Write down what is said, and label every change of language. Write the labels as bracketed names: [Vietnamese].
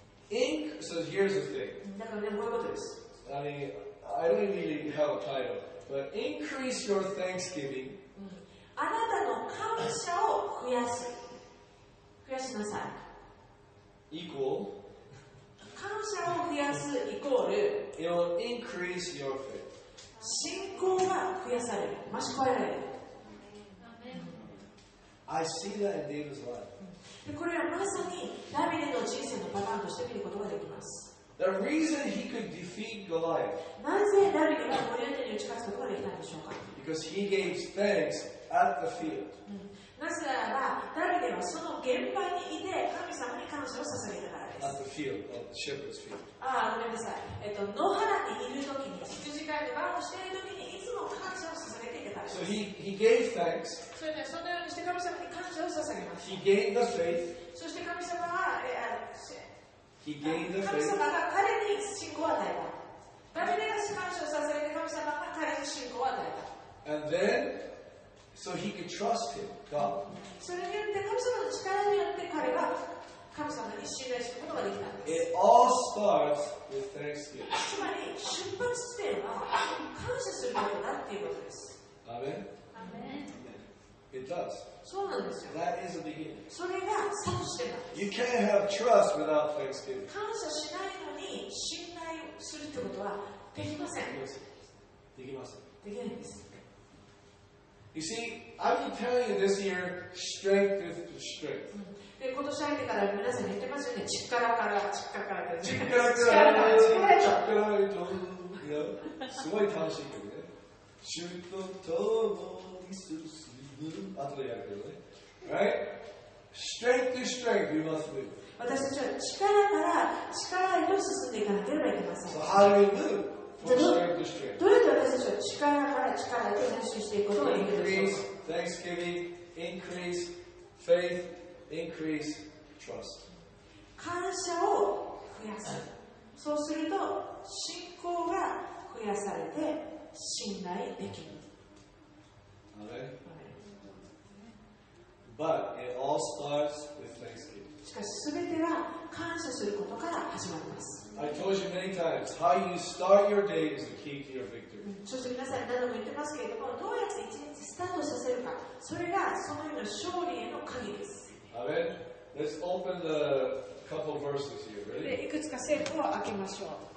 [English] Ink, so here's the thing. I don't really have a title, but increase your thanksgiving. [Japanese] あなたの感謝を増やす。増やしなさい。 [English] Equal. [Japanese] 感謝を増やすイコール。 [English] It will increase your faith. [Japanese] 信仰が増やされる。増し加えられる。 [English] I see that in David's life. [Japanese] でこれはまさにダビデの人生のパターンとして見ることができます。 [English] The reason he could defeat Goliath. [Japanese] なぜダビデがゴリアテに打ち勝つことができたんでしょうか。 [English] Because he gave thanks at the field. [Japanese] なぜならばダビデはその現場にいて神様に感謝を捧げたからです。 [English] At the field, at the shepherd's field. [Japanese] ああ、ごめんなさい。野原にいるときに、羊飼いの番をしているときにいつも感謝を捧げていたからです。 [English] So he gave thanks. [Japanese] そのようにして神様に感謝を捧げます。 [English] He gained the faith. [Japanese] そして神様は、 [English] He gained the faith. [Japanese] 神様が彼に信仰を与えた。ダビデが感謝を捧げて神様が彼に信仰を与えた。 [English] And then, so he could trust him, God. [Japanese] それによって神様の力によって彼は神様に信頼することができたんです。 [English] It all starts with thanksgiving. [Japanese] つまり出発点は感謝することだっていうことです。アメン。アメン。 [English] It does. [Japanese] そうなんですよ。 [English] That is the beginning. [Japanese] それがスタートしてます。 [English] You can't have trust without thanksgiving. [Japanese] 感謝しないのに信頼するってことはできません。できません。できないんです。 [English] You see, I've been telling you this year, strength is to strength. [Japanese] で、今年入ってから皆さん言ってますよね。力から、力からで。力から、力から、力から、力から、力から、すごい楽しい曲ね。主と共にする。後でやるけどね。Right? [English] Strength to strength, you must move. [Japanese] 私たちは力から力へと進んでいかなければいけません。 [English] So how do we move from strength to strength? [Japanese] どうやって私たちは力から力へと進んでいくことができるでしょうか? [English] Increase thanksgiving, increase faith, increase trust. [Japanese] 感謝を増やす。そうすると信仰が増やされて信頼できる。 [English] Amen. But it all starts with thanksgiving. [Japanese] しかし全ては感謝することから始まります。 [English] I told you many times how you start your day is the key to your victory. [Japanese] そして皆さん何度も言ってますけれども、どうやって一日スタートさせるか、それがその日の勝利への鍵です。 [English] Amen. Let's open the couple verses here. Ready? [Japanese] でいくつか聖句を開けましょう。